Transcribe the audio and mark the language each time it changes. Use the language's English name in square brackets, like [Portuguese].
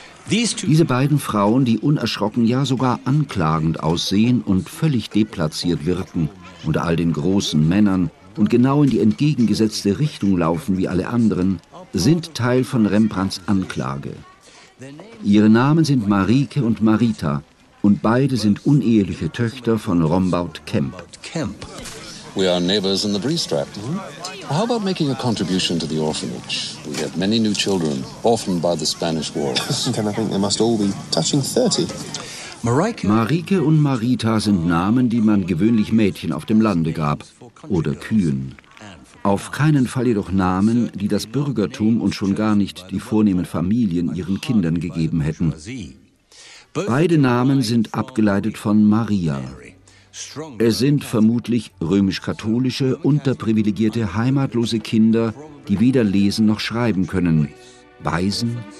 [German] Diese beiden Frauen, die unerschrocken, ja sogar anklagend aussehen und völlig deplatziert wirken, unter all den großen Männern, und genau in die entgegengesetzte Richtung laufen wie alle anderen, sind Teil von Rembrandts Anklage. Ihre Namen sind Marieke und Marita und beide sind uneheliche Töchter von Rombout Kemp. [English] We are neighbors in the Breestrap. How about making a contribution to the orphanage? We have many new children, orphaned by the Spanish War. Then I think they must all be touching 30. [German] Marieke und Marita sind Namen, die man gewöhnlich Mädchen auf dem Lande gab oder Kühen. Auf keinen Fall jedoch Namen, die das Bürgertum und schon gar nicht die vornehmen Familien ihren Kindern gegeben hätten. Beide Namen sind abgeleitet von Maria. Es sind vermutlich römisch-katholische, unterprivilegierte, heimatlose Kinder, die weder lesen noch schreiben können. Waisen?